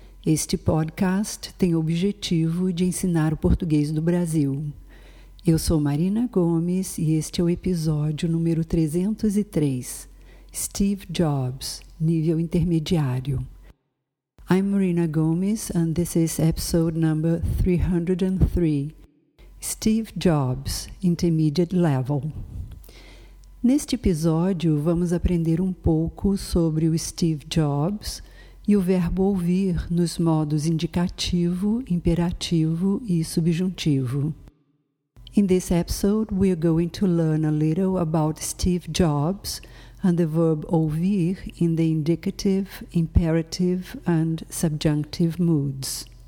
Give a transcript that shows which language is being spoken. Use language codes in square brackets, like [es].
[pt] Este podcast tem o objetivo de ensinar o português do Brasil. Eu sou Marina Gomes e este é o episódio número 303. Steve Jobs, nível intermediário. [en] I'm Marina Gomes and this is episode number 303. Steve Jobs, Intermediate Level. [pt] Neste episódio, vamos aprender um pouco sobre o Steve Jobs e o verbo ouvir nos modos indicativo, imperativo e subjuntivo. [en] In this episode, we are going to learn a little about Steve Jobs and the verb ouvir in the indicative, imperative and subjunctive moods.